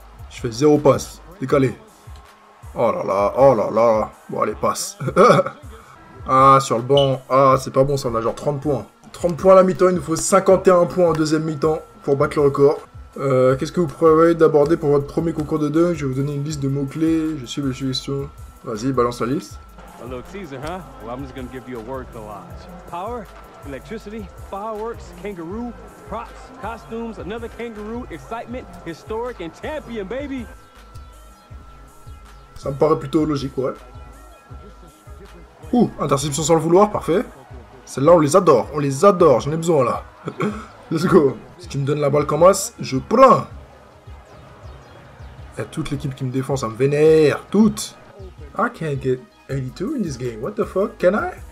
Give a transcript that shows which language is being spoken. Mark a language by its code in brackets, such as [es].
[fr] Je fais zéro passe. Décalé. Oh là là. Bon, allez, passe. Ah, sur le banc. Ah, c'est pas bon, ça, on a genre 30 points. 30 points à la mi-temps, il nous faut 51 points en deuxième mi-temps pour battre le record. Qu'est-ce que vous prévoyez d'aborder pour votre premier concours de dunk? Je vais vous donner une liste de mots-clés, je suis le suggestion. Vas-y, balance la liste. [en] Hello, teaser, huh? Well, I'm just gonna give you a word collage. Power, electricity, fireworks, kangaroo, props, costumes, another kangaroo, excitement, historic and champion, baby! [fr] Ça me paraît plutôt logique, ouais. Ouh, interception sans le vouloir, parfait. Celle-là, on les adore, j'en ai besoin, là. [en] Let's go. [fr] Si tu me donnes la balle comme as, je prends. Il y a toute l'équipe qui me défend, ça me vénère. Toutes. [en] I can't get 82 in this game. What the fuck, can I?